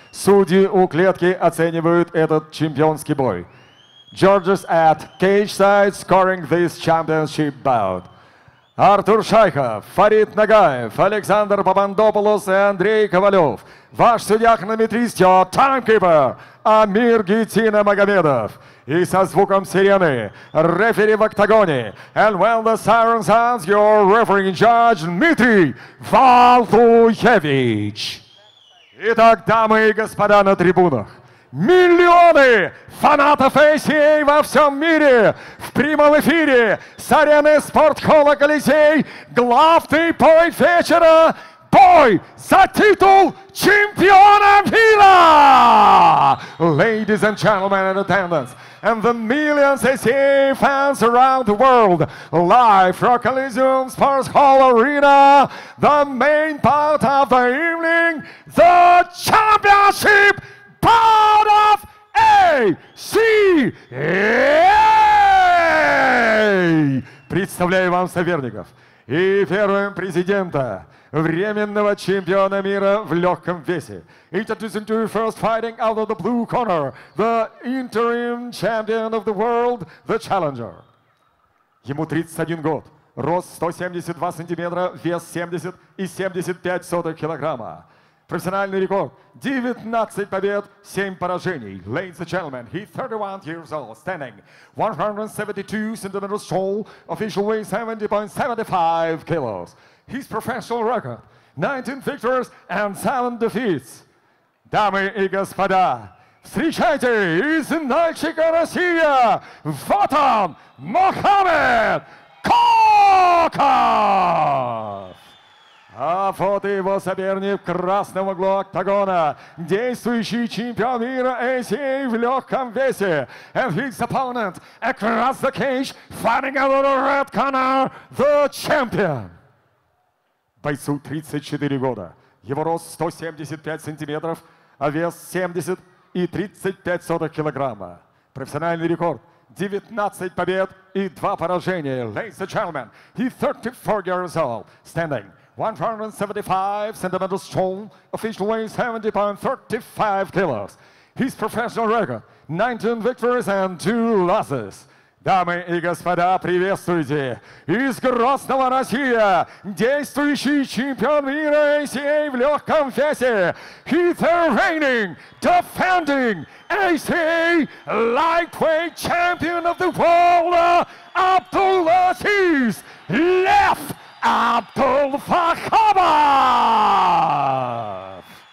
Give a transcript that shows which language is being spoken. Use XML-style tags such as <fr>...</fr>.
<ru>Судьи у клетки оценивают этот чемпионский бой.</ru> <en>Judges at cage side scoring this championship bout.</en> <ru>Артур Шайхов, Фарид Нагаев, Александр Папандополос и Андрей Ковалев. Ваш судья-хронометрист,</ru> <en>your timekeeper,</en> <ru>Амир Гитина Магомедов. И со звуком сирены, рефери в октагоне.</ru> <en>And when the siren sounds, your refereeing judge, Дмитрий Валуевич.</en> <ru>Итак, дамы и господа на трибунах, миллионы фанатов ACA во всем мире в прямом эфире с арены спортхолла Колизей. Главный бой вечера – бой за титул чемпиона мира!</ru> <en>Ladies and gentlemen in attendance, and the millions of ACA fans around the world, live from Coliseum Sports Hall Arena, the main part of the evening, the championship part of ACA!</en> <ru>Представляю вам соперников и первым президента, временного чемпиона мира в легком весе.</ru> <en>Introducing to you first fighting out of the blue corner, the interim champion of the world, the challenger.</en> <ru>Ему 31 год, рост 172 сантиметра, вес 70,75 килограмма. Профессиональный рекорд 19 побед, 7 поражений.</ru> <en>Ladies and gentlemen, he 31 years old, standing 172 centimeters tall, official weight 70.75 kilos. His professional record 19 victories and 7 defeats.</en> <ru>Дамы и господа, встречайте из Нальчика, Россия, вот он, Мохаммед Коков! А вот и его соперник в красном углу октагона, действующий чемпион мира ACA в легком весе.</ru> <en>And his opponent across the cage, fighting out of the red corner, the champion.</en> <ru>Бойцу 34 года. Его рост 175 сантиметров, а вес 70,35 килограмма. Профессиональный рекорд 19 побед и 2 поражения.</ru> <en>Ladies and gentlemen, he 34 years old, standing 175 centimeters tall, official weight 70.35 kilos. His professional record 19 victories and 2 losses.</en> <ru>Дамы и господа, приветствуйте из Грозного, Россия, действующий чемпион мира ACA в легком весе.</ru> <en>He's the reigning, defending ACA lightweight champion of the world, Abdulaziz Lef Абдул-Фахабов!</en>